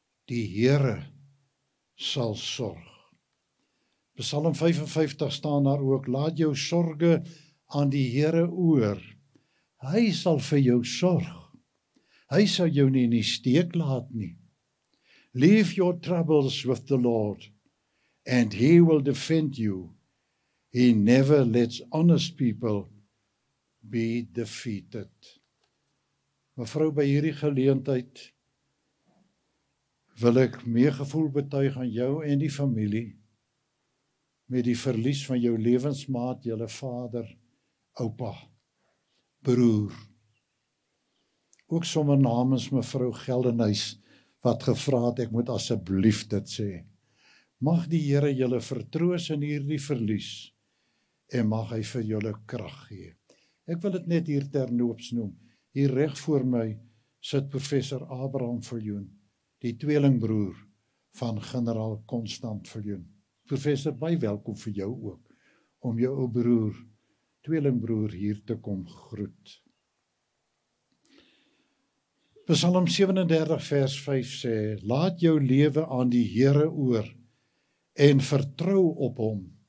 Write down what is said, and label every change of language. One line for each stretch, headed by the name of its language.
Afrikaans: Die Here sal sorg. Psalm 55 staan daar ook, laat jou sorge aan die Here oor. Hy sal vir jou sorg. Hy sal jou nie in die steek laat nie.
English: Leave your troubles with the Lord, and he will defend you. He never lets honest people be defeated.
Afrikaans: Mevrou, by hierdie geleentheid wil ek meegevoel betuig aan jou en die familie met die verlies van jou lewensmaat, julle vader, oupa, broer. Ook sommer namens mevrou Geldenhuys, wat gevra het, ek moet asseblief dit sê. Mag die Here julle vertroos in hierdie verlies en mag hy vir julle krag gee. Ek wil dit net hier ternoops noem. Hier reg voor my sit professor Abraham Viljoen, die tweelingbroer van generaal Constant Viljoen. Professor, baie welkom vir jou ook om jou ou broer, tweelingbroer hier te kom groet. Psalm 37 vers 5 sê, laat jou lewe aan die Here oor en vertrou op hom.